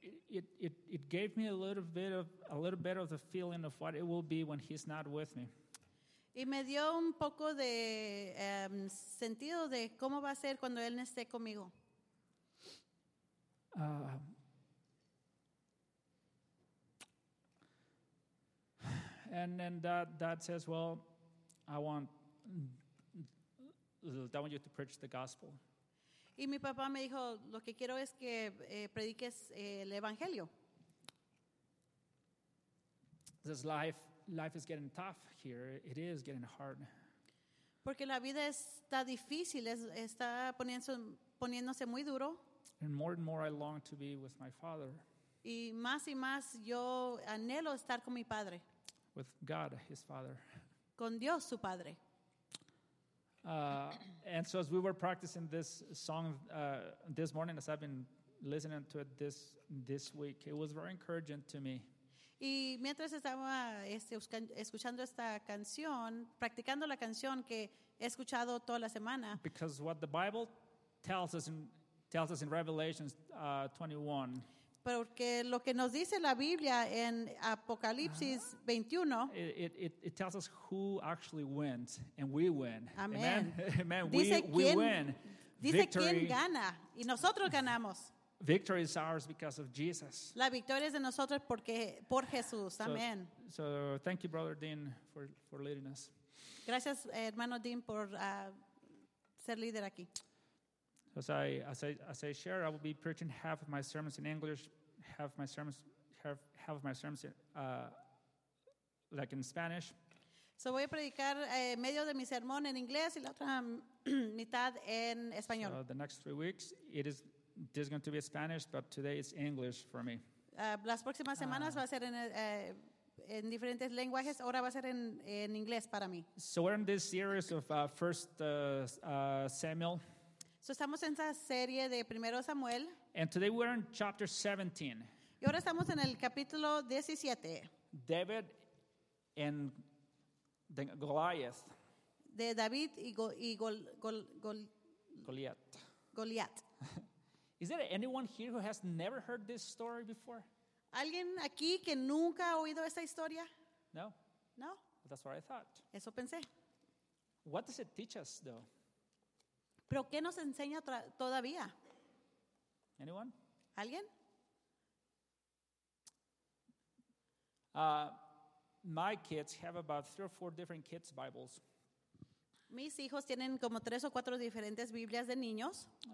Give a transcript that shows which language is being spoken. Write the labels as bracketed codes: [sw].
[en] It gave me a little bit of the feeling of what it will be when he's not with me. [es] Y me dio un poco de sentido de cómo va a ser cuando él no esté conmigo. [en] And dad says, well, I want you to preach the gospel. [es] Y mi papá me dijo, lo que quiero es que prediques el evangelio. [en] This life is getting tough here. It is getting hard. [es] Porque la vida está difícil, está poniéndose muy duro. [en] And more I long to be with my father. [es] Y más yo anhelo estar con mi padre. [en] With God, his father. [es] Con Dios, su padre. [en] And so as we were practicing this song this morning, as I've been listening to it this week, it was very encouraging to me. [es] Y mientras estaba escuchando esta canción, practicando la canción que he escuchado toda la semana. [en] Because what the Bible tells us in Revelation 21. [es] Porque lo que nos dice la Biblia en Apocalipsis 21. [en] It tells us who actually wins, and we win. Amen. Amen. We win. [es] Dice victory. Quién gana, y nosotros ganamos. [en] Victory is ours because of Jesus. [es] La victoria es de nosotros porque por Jesús. [en] Amen. So thank you, Brother Dean, for leading us. [es] Gracias, hermano Dean, por ser líder aquí. [en] As I share, I will be preaching half of my sermons in English, half of my sermons in Spanish. [es] So voy a predicar medio de mi sermón en inglés y la otra mitad en español. [en] So the next 3 weeks, it is going to be Spanish, but today it's English for me. [es] Las próximas semanas va a ser en diferentes lenguajes. Ahora va a ser en inglés para mí. [en] So we're in this series of First Samuel. [es] So estamos en esa serie de Primero Samuel. [en] And today we're in chapter 17. [es] Y ahora estamos en el capítulo 17. [en] David and the Goliath. [es] De David y Goliath. Goliath. [en] Is there anyone here who has never heard this story before? [es] ¿Alguien aquí que nunca ha oído esta historia? [en] No. [es] No? [en] Well, that's what I thought. [es] Eso pensé. [en] What does it teach us, though? [es] ¿Pero qué nos enseña todavía? [en] Anyone? [es] ¿Alguien? [en] My kids have about 3 or 4 different kids' Bibles. [es] Mis hijos tienen como 3 o 4 diferentes Biblias de niños.